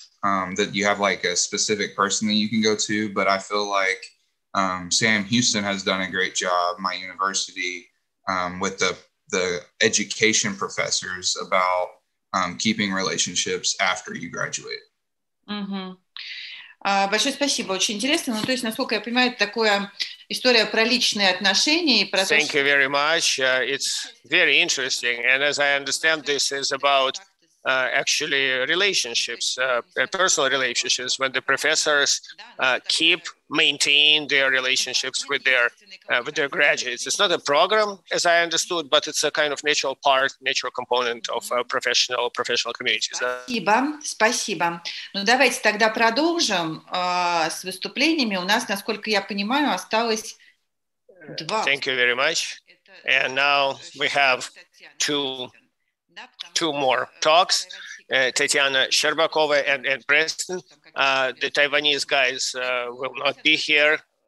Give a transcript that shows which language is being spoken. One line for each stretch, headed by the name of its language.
English: That you have like a specific person that you can go to, but I feel like Sam Houston has done a great job, my university, with the education professors about keeping relationships after you graduate. Mm-hmm.
Russian: Большое спасибо, очень интересно. Ну, то есть, насколько я понимаю, это такая история про личные отношения и про.
English: Thank you very much. It's very interesting, and as I understand, this is about actually relationships, personal relationships, when the professors maintain their relationships with their graduates. It's not a program, as I understood, but it's a kind of natural part, natural component of professional communities.
Russian: Спасибо, спасибо. Ну, давайте тогда продолжим с выступлениями. У нас, насколько я понимаю, осталось два.
English: Thank you very much. And now we have two more talks, Tatiana Shcherbakova and Prestin. The Taiwanese guys will not be here.